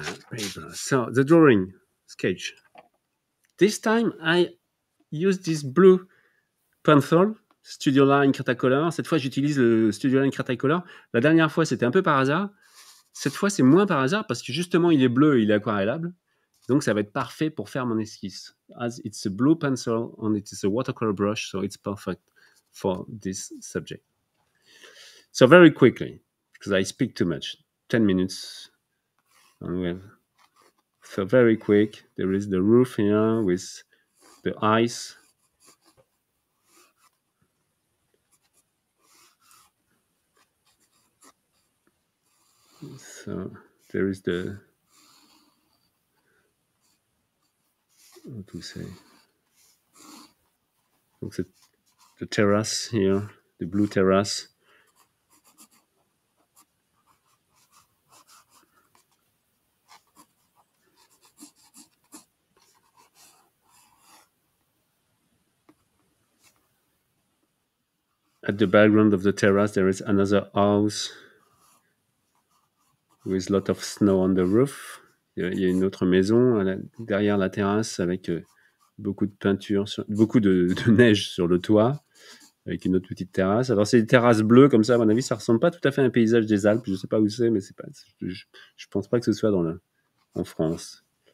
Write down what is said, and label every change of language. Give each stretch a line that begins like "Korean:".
English: Paper. So the drawing sketch. This time I use this blue pencil, Studio Line Cratacolor.
French: Cette fois j'utilise le Studio Line Cratacolor. La dernière fois c'était un peu par hasard. Cette fois c'est moins par hasard parce que justement il est bleu et il est aquarellable. Donc ça va être parfait pour faire mon esquisse.
English: As it's a blue pencil and it is a watercolor brush, so it's perfect for this subject. So very quickly, because I speak too much. 10 minutes. So very quick, there is the roof here with the ice. So there is the, what do we say? Look at the terrace here, the blue terrace. At the background of the terrace, there is another house with a lot of snow on the roof.
French: Il y a une autre maison derrière la terrasse avec beaucoup de neige sur le toit. avec une autre petite terrasse. Alors, c'est des terrasses bleues, comme ça, à mon avis, ça ressemble pas tout à fait à un paysage des Alpes. Je sais pas où c'est, mais c'est pas, je pense pas que ce soit dans en France.